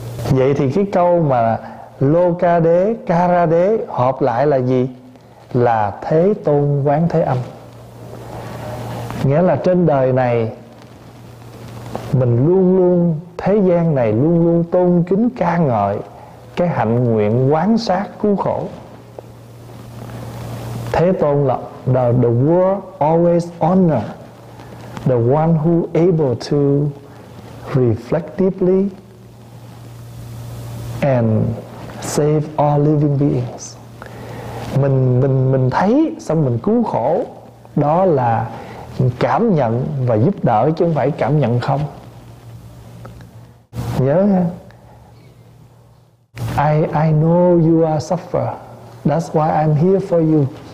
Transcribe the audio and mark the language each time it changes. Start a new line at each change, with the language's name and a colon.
Vietnamese: Vậy thì cái câu mà Lô Ca Đế, Ca Ra Đế hợp lại là gì? Là Thế Tôn Quán Thế Âm. Nghĩa là trên đời này mình luôn luôn, thế gian này luôn luôn tôn kính ca ngợi cái hạnh nguyện quán sát cứu khổ. Thế Tôn là
English: the world always honor the one who able to reflect deeply and save all living beings.
Vietnamese: Mình thấy xong mình cứu khổ, đó là cảm nhận và giúp đỡ chứ không phải cảm nhận không. Nhớ ha.
English: I know you are suffer. That's why I'm here for you.